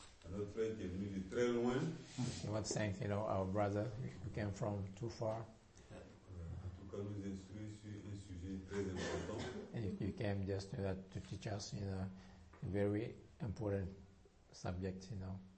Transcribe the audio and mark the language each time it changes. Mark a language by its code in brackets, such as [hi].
[fr] Notre frère qui est venu de très loin. [en] We want to thank, you know, our brother who came from too far. [fr] En tout cas, nous instruit sur un sujet très important. [en] And you came just to teach us in a very important subject, you know.